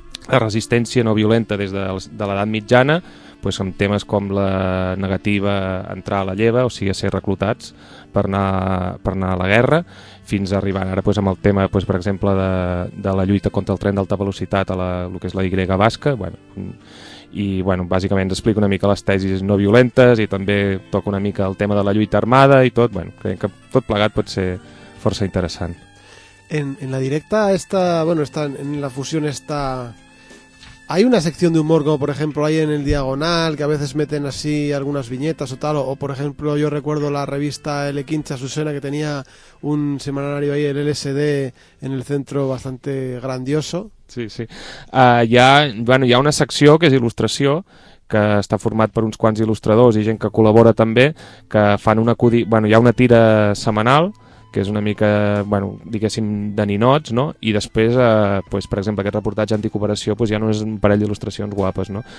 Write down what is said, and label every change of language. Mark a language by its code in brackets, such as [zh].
[ca] resistència no violenta des de l'edat mitjana, pues, amb temes com la negativa a entrar a la lleva, o sigui, a ser reclutats per anar a la guerra, fins a arribar ara pues, amb el tema, pues, per exemple, de la lluita contra el tren d'alta velocitat a el que és la Y basca, bueno, i bueno, bàsicament ens explica una mica les tesis no violentes i també toca una mica el tema de la lluita armada i tot, bueno, creiem que tot plegat pot ser força interessant. [es] En la directa esta, bueno, está en la fusión esta, hay una sección de humor, como por ejemplo ahí en el Diagonal, que a veces meten así algunas viñetas o tal, o por ejemplo yo recuerdo la revista El Equincha Susena, que tenía un semanario ahí, el LSD, en el centro bastante grandioso. Sí, sí. [ca] Hi ha una secció que és il·lustració, que està format per uns quants il·lustradors i gent que col·labora també, que fan un acudit... Bueno, hi ha una tira setmanal, que és una mica, bueno, diguéssim, de ninots, no? I després, pues, per exemple, aquest reportatge anticooperació, pues, hi ha només un parell d'il·lustracions guapes, no?